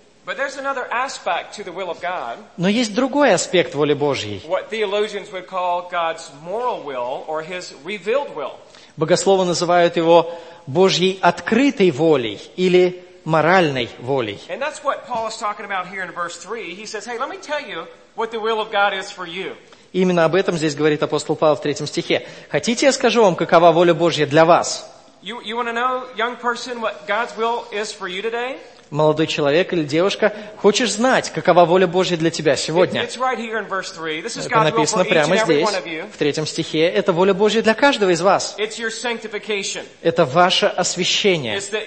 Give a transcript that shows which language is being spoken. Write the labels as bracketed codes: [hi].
[en] But there's another aspect to the will of God. [ru] Но есть другой аспект воли Божьей. [en] What theologians would call God's moral will or His revealed will. [ru] Богословы называют его Божьей открытой волей или моральной волей. [en] And that's what Paul is talking about here in verse 3. He says, "Hey, let me tell you what the will of God is for you." [ru] Именно об этом здесь говорит апостол Павел в третьем стихе. Хотите, я скажу вам, какова воля Божья для вас? [en] You want to know, young person, what God's will is for you today? [ru] Молодой человек или девушка, хочешь знать, какова воля Божья для тебя сегодня? Это написано прямо здесь, в третьем стихе. Это воля Божья для каждого из вас. Это ваше освящение.